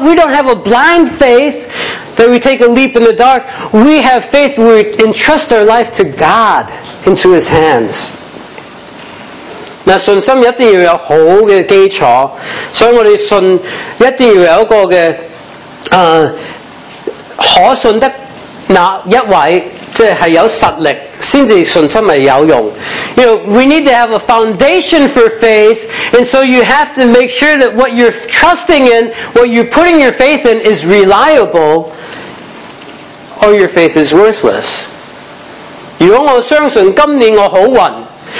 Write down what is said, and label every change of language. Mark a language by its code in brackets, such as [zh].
[en] We don't have a blind faith that we take a leap in the dark. We have faith where we entrust our life to God, into His hands. [yue] 那信心一定要有好嘅基础，所以我哋信一定要有一个嘅可信的那一位，即系有实力，先至信心系有用。 [en] You know, we need to have a foundation for faith, and so you have to make sure that what you're trusting in, what you're putting your faith in, is reliable, or your faith is worthless. [yue] 如果我相信今年我好运。